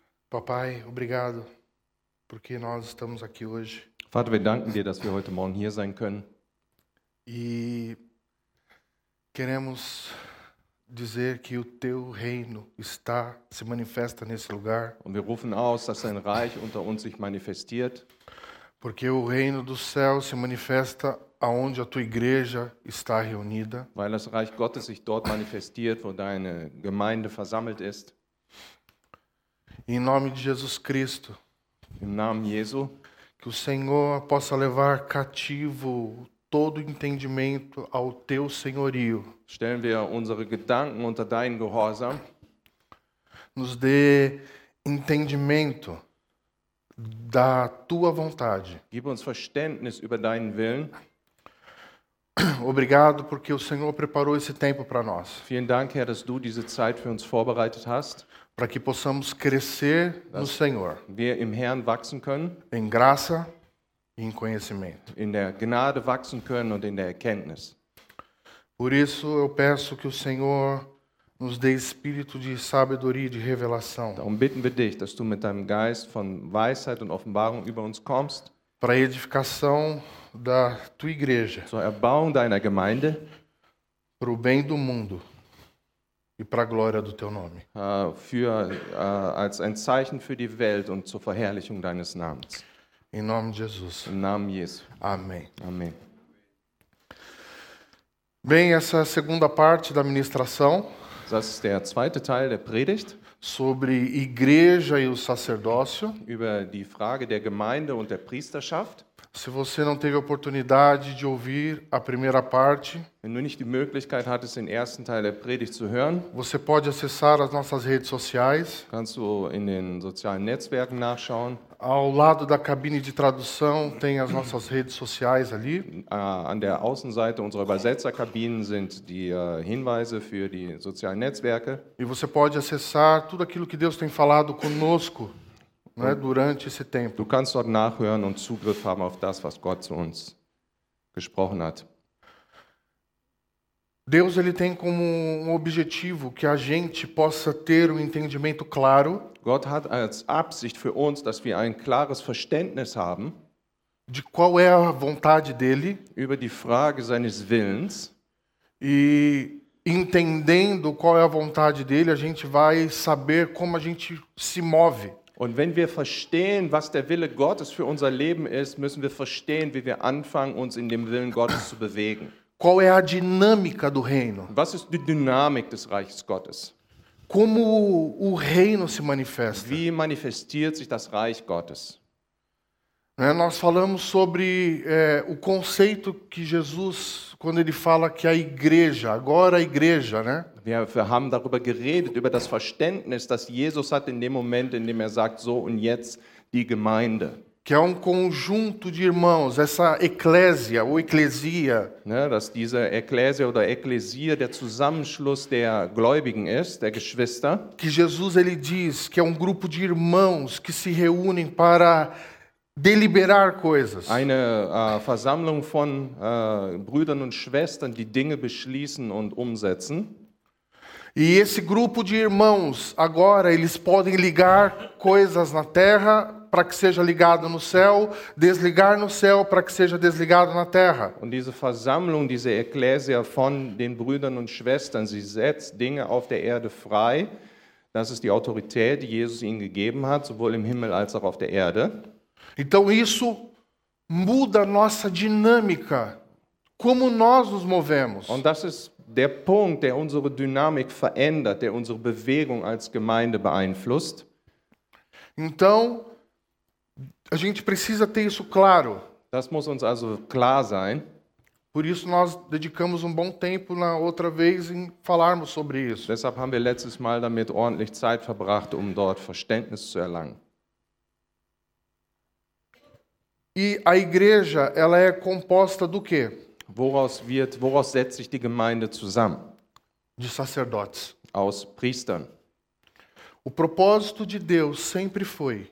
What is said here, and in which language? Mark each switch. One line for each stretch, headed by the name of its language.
Portuguese: Papai, obrigado, porque nós estamos aqui hoje.
German: Vater, wir danken dir, dass wir heute Morgen hier sein können.
Portuguese: E queremos dizer que o teu reino está se manifesta nesse lugar.
German: Und wir rufen aus, dass dein Reich unter uns sich manifestiert.
Portuguese: Porque o reino do céu se manifesta aonde a tua igreja está reunida.
German: Weil das Reich Gottes sich dort manifestiert, wo deine Gemeinde versammelt ist.
Portuguese: Em nome de Jesus Cristo.
German: Im Namen Jesu.
Portuguese: Que o Senhor possa levar cativo todo entendimento ao teu senhorio.
German: Stellen wir unsere Gedanken unter deinen Gehorsam.
Portuguese: Nos dê entendimento da tua vontade.
German: Gib uns Verständnis über deinen Willen.
Portuguese: Obrigado porque o Senhor preparou esse tempo para nós.
German: Vielen Dank, Herr, dass du diese Zeit für uns vorbereitet hast.
Portuguese: Para que possamos crescer no Senhor.
German: Wir im Herrn wachsen können.
Portuguese: Em graça e em conhecimento.
German: In der Gnade wachsen können und in der Erkenntnis.
Portuguese: Por isso eu peço que o Senhor nos dê espírito de sabedoria e de revelação.
German: Darum bitten wir dich, dass du mit deinem Geist von Weisheit und Offenbarung über uns kommst.
Portuguese: Para a edificação da tua igreja.
German: Zur Erbauung deiner Gemeinde.
Portuguese: Para o bem do mundo. E para a glória do teu nome.
German: Als ein Zeichen für die Welt und zur Verherrlichung deines Namens.
Portuguese: Em nome de Jesus.
German: Im Namen Jesu.
Portuguese: Amém. Amém. Bem, essa é a segunda parte da ministração.
German: Das ist der zweite Teil der Predigt.
Portuguese: Sobre igreja e o sacerdócio.
German: Über die Frage der Gemeinde und der Priesterschaft.
Portuguese: Se você não teve a oportunidade de ouvir a primeira parte,
German: wenn du nicht die Möglichkeit hattest, den ersten Teil der Predigt zu hören,
Portuguese: você pode acessar as nossas redes sociais.
German: Kannst du in den sozialen Netzwerken nachschauen.
Portuguese: Ao lado da cabine de tradução tem as nossas redes sociais ali.
German: An der Außenseite unserer Übersetzerkabinen sind die Hinweise für die sozialen Netzwerke.
Portuguese: E você pode acessar tudo aquilo que Deus tem falado conosco.
German: Und
Portuguese: durante esse tempo.
German: Du kannst dort nachhören und Zugriff haben auf das, was Gott zu uns gesprochen hat.
Portuguese: Deus, ele tem como um objetivo que a gente possa ter um entendimento claro.
German: Gott hat als Absicht für uns, dass wir ein klares Verständnis haben.
Portuguese: De qual é a vontade dele.
German: Über die Frage seines Willens.
Portuguese: E entendendo qual é a vontade dele, a gente vai saber como a gente se move.
German: Und wenn wir verstehen, was der Wille Gottes für unser Leben ist, müssen wir verstehen, wie wir anfangen, uns in dem Willen Gottes zu bewegen.
Portuguese: Qual é a dinâmica do reino?
German: Was ist die Dynamik des Reiches Gottes?
Portuguese: Como o reino se manifesta?
German: Wie manifestiert sich das Reich Gottes?
Portuguese: Nós falamos sobre o conceito que Jesus, quando ele fala que a igreja, agora a igreja, né?
German: Wir haben darüber geredet, über das Verständnis, das Jesus hat in dem Moment, in dem sagt, so und jetzt die Gemeinde.
Portuguese: Que é conjunto de irmãos, essa eclésia ou eklesia.
German: Ne, dass diese Ekklesia oder Ekklesia der Zusammenschluss der Gläubigen ist, der Geschwister.
Portuguese: Que Jesus, ele diz, que é grupo de irmãos que se reúnen para deliberar coisas.
German: Eine Versammlung von Brüdern und Schwestern, die Dinge beschließen und umsetzen.
Portuguese: E esse grupo de irmãos, agora, eles podem ligar coisas na terra para que seja ligado no céu, desligar no céu para que seja desligado na terra.
German: Und diese Versammlung, diese Ekklesia von den Brüdern und Schwestern, sie setzt Dinge auf der Erde frei. Das ist die Autorität, die Jesus ihnen gegeben hat, sowohl im Himmel als auch auf der Erde.
Portuguese: Então isso muda a nossa dinâmica, como nós nos movemos.
German: Und das ist der Punkt, der unsere Dynamik verändert, der unsere Bewegung als Gemeinde beeinflusst.
Portuguese: Então, A gente precisa ter isso claro.
German: Das muss uns also klar sein.
Portuguese: Por isso nós dedicamos um bom tempo na outra vez em falarmos sobre isso.
German: Deshalb haben wir letztes Mal damit ordentlich Zeit verbracht, um dort Verständnis zu erlangen.
Portuguese: E a igreja, ela é composta do quê?
German: Woraus setzt sich die Gemeinde zusammen?
Portuguese: De sacerdotes.
German: Aus Priestern.
Portuguese: O propósito de Deus sempre foi.